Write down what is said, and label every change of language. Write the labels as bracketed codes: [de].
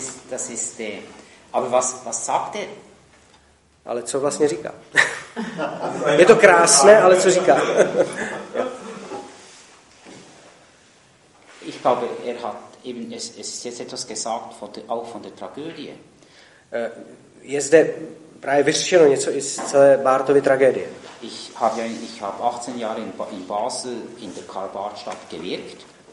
[de] Das ist aber was sagt er? [cs] Ale co vlastně říká? Je to krásné, ale co říká? [de] Ich glaube, er hat eben es ist jetzt etwas gesagt von der Tragödie. [cs] Je zde právě vyřešeno něco i z celé Barthovy tragédie. [de] Ich hab 18 Jahre in Basel in der Karl-Barth-Stadt gewirkt.